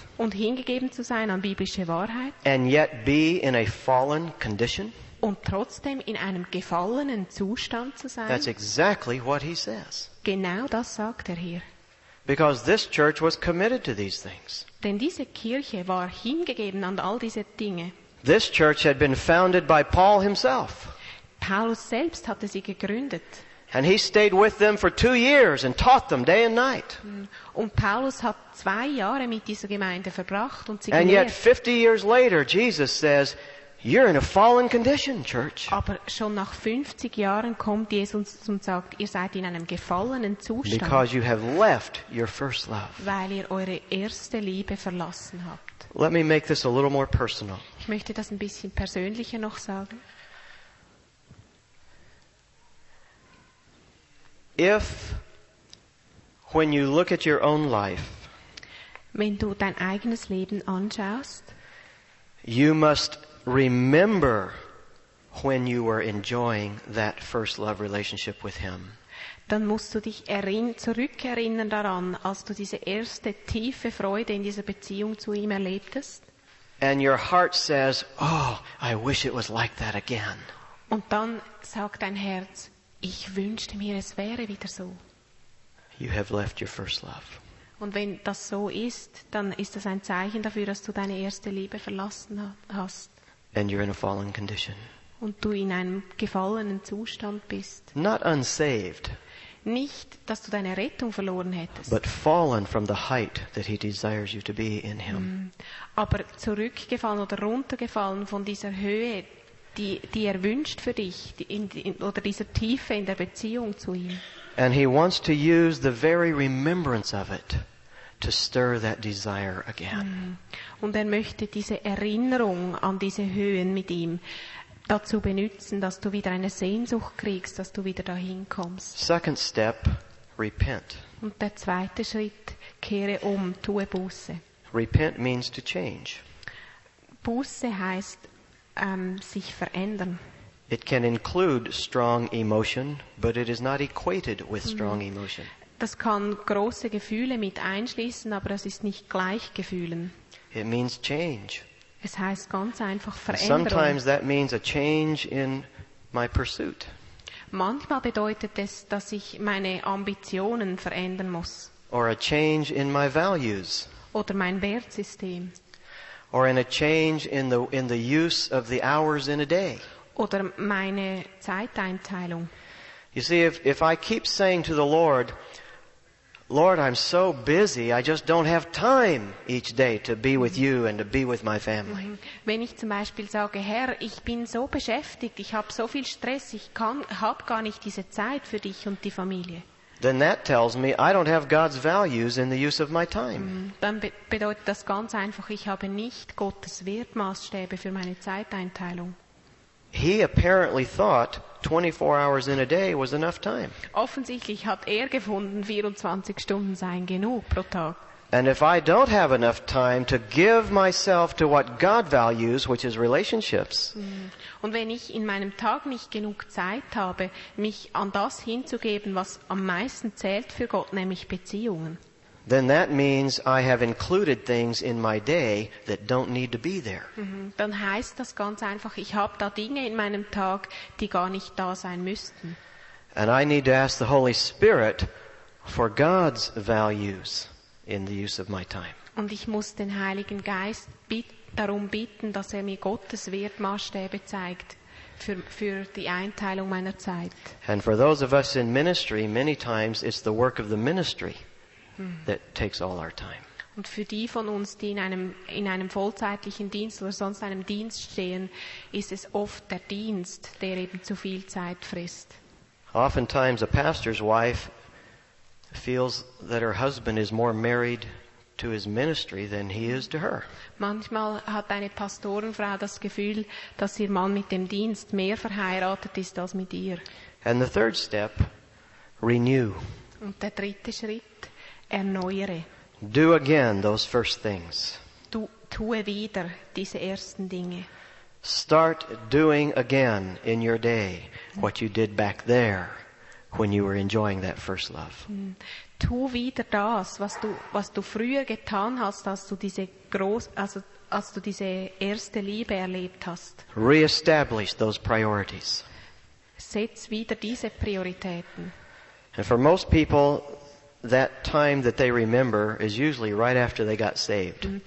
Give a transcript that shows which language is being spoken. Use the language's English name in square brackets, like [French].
[German] und hingegeben zu sein an biblische Wahrheit. [English] And yet be in a fallen condition, [German] und trotzdem in einem gefallenen Zustand zu sein. [English] That's exactly what he says. [German] Genau das sagt er hier. [English] Because this church was committed to these things. [German] Denn diese Kirche war hingegeben an all diese Dinge. [English] This church had been founded by Paul himself. [German] Paulus selbst hatte sie gegründet. [English] And he stayed with them for 2 years and taught them day and night. [German] Und Paulus hat 2 Jahre mit dieser Gemeinde verbracht und sie gelehrt. [English] And yet 50 years later, Jesus says, you're in a fallen condition, church. [German] Aber schon nach 50 Jahren kommt Jesus und sagt, ihr seid in einem gefallenen Zustand. [English] Because you have left your first love. [German] Weil ihr eure erste Liebe verlassen habt. [English] Let me make this a little more personal. [German] Ich möchte das ein bisschen persönlicher noch sagen. [English] If, when you look at your own life, [German] wenn du dein eigenes Leben anschaust, [English] you must remember when you were enjoying that first love relationship with him. [German] Dann musst du dich zurückerinnern daran, als du diese erste tiefe Freude in dieser Beziehung zu ihm erlebtest. [English] And your heart says, oh, I wish it was like that again. [German] Und dann sagt dein Herz, ich wünschte mir, es wäre wieder so. [English] You have left your first love. [German] Und wenn das so ist, dann ist das ein Zeichen dafür, dass du deine erste Liebe verlassen hast. [English] And you're in a fallen condition. [German] Und du in einem gefallenen Zustand bist. [English] Not unsaved. [German] Nicht, dass du deine Rettung verloren hättest. [English] But fallen from the height that he desires you to be in him. [German] Aber zurückgefallen oder runtergefallen von dieser Höhe, die er wünscht für dich, oder dieser Tiefe in der Beziehung zu ihm. [English] And he wants to use the very remembrance of it to stir that desire again. [German] Und er möchte diese Erinnerung an diese Höhen mit ihm dazu benutzen, dass du wieder eine Sehnsucht kriegst, dass du wieder dahin kommst. [English] Second step, repent. [German] Und der zweite Schritt, kehre um, tue Buße. [English] Repent means to change. [German] Buße heißt sich verändern. [English] It can include strong emotion, but it is not equated with strong emotion. [German] Das kann große Gefühle mit einschließen, aber das ist nicht gleich Gefühlen. [English] It means change. [German] Es heißt ganz einfach Veränderung. [English] Sometimes that means a change in my pursuit. [German] Manchmal bedeutet es, dass ich meine Ambitionen verändern muss. [English] Or a change in my values. [German] Oder mein Wertsystem. [English] Or in a change in the use of the hours in a day. [German] Oder meine Zeiteinteilung. [English] You see, if I keep saying to the Lord, Lord, I'm so busy, I just don't have time each day to be with you and to be with my family. [German] Wenn ich zum Beispiel sage, Herr, ich bin so beschäftigt, ich habe so viel Stress, ich habe gar nicht diese Zeit für dich und die Familie. [English] Then that tells me I don't have God's values in the use of my time. [German] Dann bedeutet das ganz einfach, ich habe nicht Gottes Wertmaßstäbe für meine Zeiteinteilung. [English] He apparently thought 24 hours in a day was enough time. [German] Offensichtlich hat gefunden, 24 Stunden seien genug pro Tag. [English] And if I don't have enough time to give myself to what God values, which is relationships. [German] Und wenn ich in meinem Tag nicht genug Zeit habe, mich an das hinzugeben, was am meisten zählt für Gott, nämlich Beziehungen. [English] Then that means I have included things in my day that don't need to be there. [German] Dann heißt das ganz einfach, ich habe da Dinge in meinem Tag, die gar nicht da sein müssten. [English] And I need to ask the Holy Spirit for God's values in the use of my time. [German] Und ich muss den Heiligen Geist darum bitten, dass mir Gottes Wertmaßstäbe zeigt für die Einteilung meiner Zeit. [English] And for those of us in ministry, many times it's the work of the ministry that takes all our time. [German] Und für die von uns, die in einem vollzeitlichen Dienst oder sonst einem Dienst stehen, ist es oft der Dienst, der eben zu viel Zeit frisst. [English] Oftentimes a pastor's wife feels that her husband is more married to his ministry than he is to her. [German] Manchmal hat eine Pastorenfrau das Gefühl, dass ihr Mann mit dem Dienst mehr verheiratet ist als mit ihr. [English] And the third step, renew. [German] Und der dritte Schritt, erneuere. [English] Do again those first things. [German] Du tue wieder diese ersten Dinge. [English] Start doing again in your day what you did back there when you were enjoying that first love. [German] Tu wieder das, was du früher getan hast, als du diese erste Liebe erlebt hast. [English] Reestablish those priorities. [German] Setz wieder diese Prioritäten. [English] And for most people, that time that they remember is usually right after they got saved.